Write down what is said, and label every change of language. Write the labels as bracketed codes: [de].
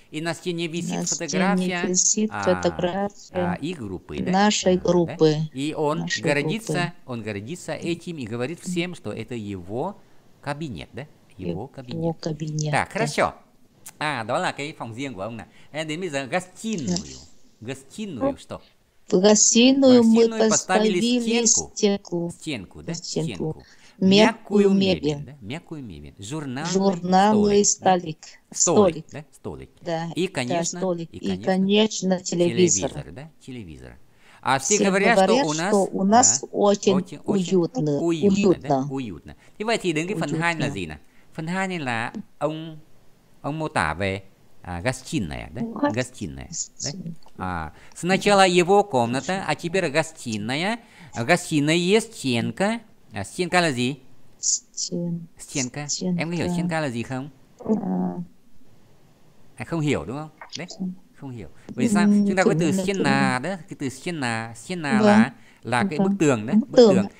[ru] И на стене висит фотография. На стене висит фотография. Их группы, да? Нашей группы. И он гордится этим и говорит всем, что это его кабинет, да? Его кабинет. Его кабинет. Так, хорошо. [vi] À, đó là cái phòng riêng của ông này. Em đến bây giờ gastinuyo. [ru] Gastinuyo что? В гостиную мы Гостиную поставили поставили стенку. стенку, Стенку, да? стенку, Стенку. мягкую Мягкую мебель, мебель, да? Мягкую мебель. Журнальный столик, столик, да? Столик. Да, столик. И, конечно, телевизор. Телевизор, да? Телевизор. А все, все говорят, говорят, что у нас да, очень, очень уютно. Уютно, да? Уютно. [vi] Thì vậy thì đến cái phần hai [ru] Уютно. [vi] là gì nè? Phần hai này là ông mô tả về [ru] гостиная, да? Гостиная, да? А, сначала его комната, а теперь гостиная. В гостиной есть стенка. А стенка [vi] là gì? [ru] Стенка. [vi] Em có hiểu [ru] стенка [vi] là gì không? À, không hiểu đúng không? Đấy. Không hiểu. Vì sao? Chúng ta có từ стена, đó, cái từ стена. Стена là cái bức tường đấy, bức tường.